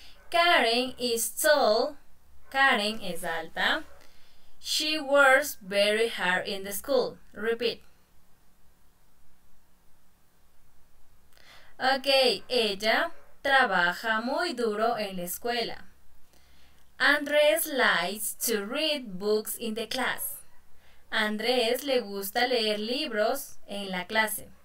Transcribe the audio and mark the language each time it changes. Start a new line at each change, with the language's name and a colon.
English: Karen is tall.
Spanish: Karen es alta.
English: She works very hard in the school. Repeat.
Spanish: Ok, ella trabaja muy duro en la escuela.
English: Andrés likes to read books in the class.
Spanish: Andrés le gusta leer libros en la clase.